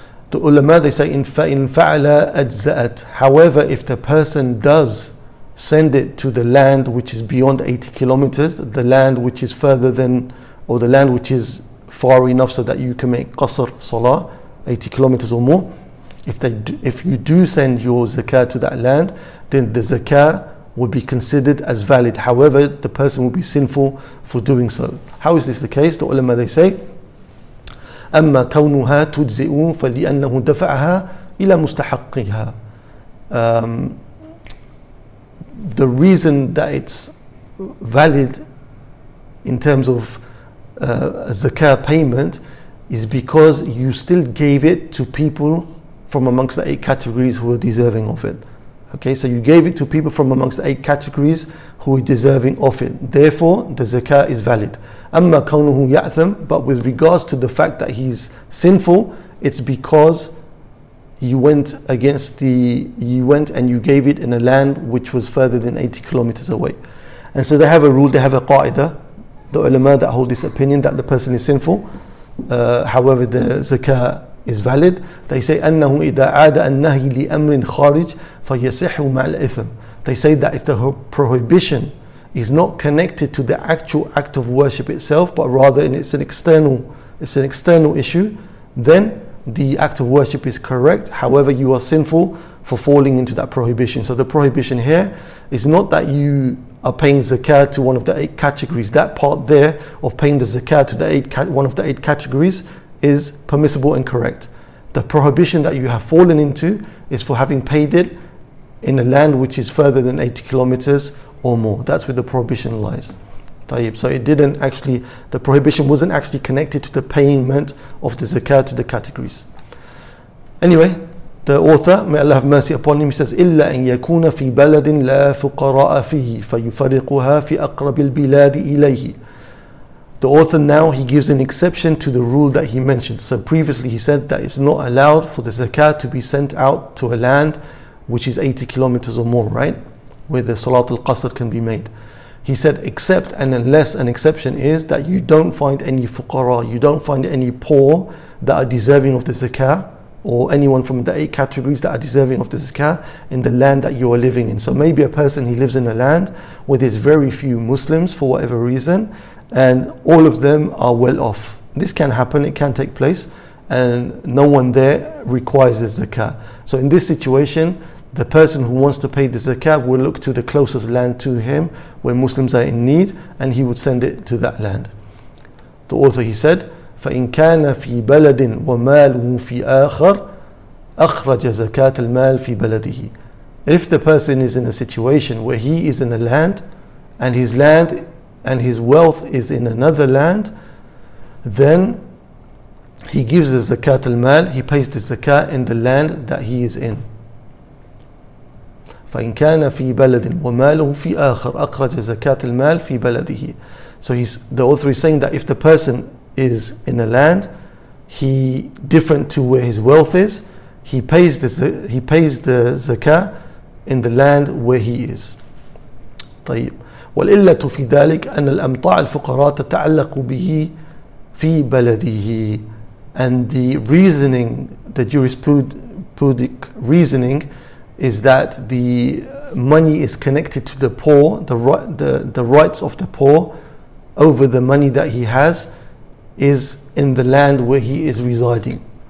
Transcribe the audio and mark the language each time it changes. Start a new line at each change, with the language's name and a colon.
English: The ulama, they say,
Arabic: in fa'ala ajza'at.
English: However, if the person does send it to the land which is beyond 80 kilometers, the land which is further than, or the land which is far enough so that you can make qasr salah, 80 kilometers or more, if you do send your zakah to that land, then the zakah would be considered as valid. However, the person would be sinful for doing so. How is this the case? The ulama, they say,
Arabic: أما كونها تجزئ فلأنه دفعها إلى مستحقها.
English: The reason that it's valid in terms of a zakah payment is because you still gave it to people from amongst the eight categories who are deserving of it. Okay, so you gave it to people from amongst the eight categories who are deserving of it. Therefore, the zakah is valid.
Arabic: أما كونه يأثم,
English: but with regards to the fact that he's sinful, it's because you went against the, you went and you gave it in a land which was further than 80 kilometers away. And so they have a rule, they have a qa'idah, the ulama that hold this opinion that the person is sinful, however the zakah is valid. They say
Arabic: أنه إذا عاد النهي لأمر خارج فيصح مع الإثم.
English: They say that if the prohibition is not connected to the actual act of worship itself, but rather it's an external issue, then the act of worship is correct. However, you are sinful for falling into that prohibition. So the prohibition here is not that you are paying zakah to one of the eight categories. That part there of paying the zakah to the one of the eight categories is permissible and correct. The prohibition that you have fallen into is for having paid it in a land which is further than 80 kilometers or more. That's where the prohibition lies. Tayyib. So it didn't actually, the prohibition wasn't actually connected to the payment of the zakah to the categories. Anyway, the author, may Allah have mercy upon him, he says,
Arabic: إِلَّا أَن يَكُونَ فِي بَلَدٍ لَا فُقَرَاءَ فِيهِ فَيُفَرِقُهَا فِي أَقْرَبِ الْبِلَادِ إِلَيْهِ.
English: The author now, he gives an exception to the rule that he mentioned. So previously he said that it's not allowed for the zakah to be sent out to a land which is 80 kilometers or more, right? Where the Salat al-Qasr can be made. He said, except and unless an exception is that you don't find any fuqara, you don't find any poor that are deserving of the zakah, or anyone from the eight categories that are deserving of the zakah in the land that you are living in. So maybe a person, he lives in a land where there's very few Muslims for whatever reason, and all of them are well off. This can happen, it can take place, and no one there requires the zakah. So in this situation, the person who wants to pay the zakah will look to the closest land to him where Muslims are in need, and he would send it to that land. The author, he said,
Arabic: فَإِنْ كَانَ فِي بَلَدٍ وَمَالُهُ فِي آخَرٍ أَخْرَجَ زَكَاةَ الْمَالِ فِي بَلَدِهِ.
English: If the person is in a situation where he is in a land and his land and his wealth is in another land, then he gives the zakat al-mal, he pays the zakat in the land that he is in.
Arabic: فَإِنْ كَانَ فِي بَلَدٍ وَمَالُهُ فِي آخَرٍ أَخْرَجَ زَكَاةَ الْمَالِ فِي بَلَدِهِ.
English: So he's, the author is saying that if the person is in a land, he different to where his wealth is, he pays the zakah in the land where he is.
Arabic: طيب. والإلا في ذلك أن الأمطاع الفقراء تتعلق به في بلده.
English: And the reasoning, the jurisprudic reasoning, is that the money is connected to the poor, the rights of the poor over the money that he has is in the land where he is residing.